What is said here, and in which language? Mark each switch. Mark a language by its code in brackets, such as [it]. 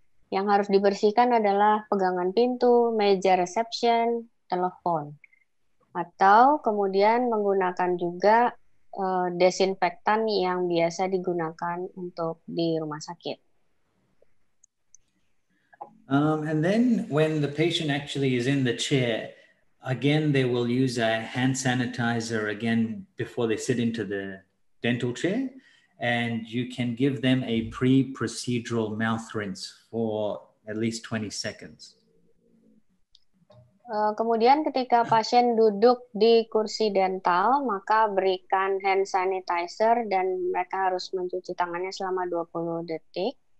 [id] Yang harus dibersihkan adalah pegangan pintu, meja reception, telepon. Atau kemudian menggunakan juga desinfektan yang biasa digunakan untuk di rumah sakit. [en] And then when the patient actually is in the chair, again they will use a hand sanitizer again before they sit into the dental chair, and you can give them a pre-procedural mouth rinse for at least 20 seconds. [id] Kemudian ketika pasien duduk di kursi dental, maka berikan hand sanitizer dan mereka harus mencuci tangannya selama 20 detik.